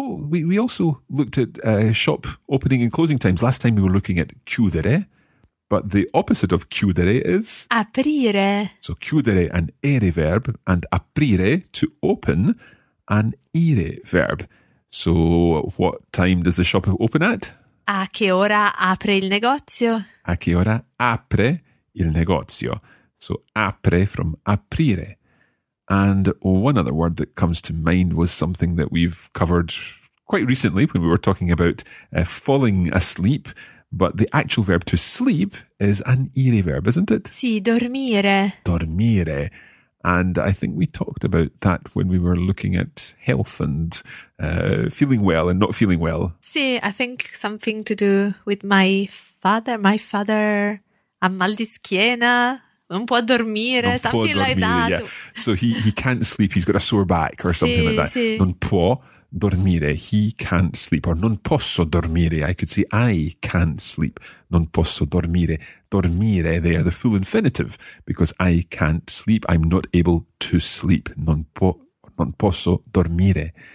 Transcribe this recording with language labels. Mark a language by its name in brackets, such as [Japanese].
[English] We also looked at shop opening and closing times. Last time we were looking at chiudere. But the opposite of chiudere is [Italian] aprire. [English] So chiudere, an ere verb, and aprire, to open, an ire verb. So what time does the shop open at? [Italian] A che ora apre il negozio? A che ora apre il negozio? [English] So apre from aprire. And one other word that comes to mind was something that we've covered quite recently when we were talking about falling asleep. But the actual verb to sleep is an ire verb, isn't it? [Italian] Sì, dormire. Dormire. [English] And I think we talked about that when we were looking at health and feeling well and not feeling well. Sì, I think something to do with my father. My father [Italian] ha mal di schiena. Non può dormire, non [English] something [Italian] può dormire, [English] like that. Yeah. So he can't sleep. He's got a sore back or something like that. Sì. [Italian] Non può dormire. [English] He can't sleep. [Italian] Or non posso dormire. [English] I could say I can't sleep. [Italian] Non posso dormire. [English] Dormire there, the full infinitive. Because I can't sleep. I'm not able to sleep. [Italian] Non posso dormire.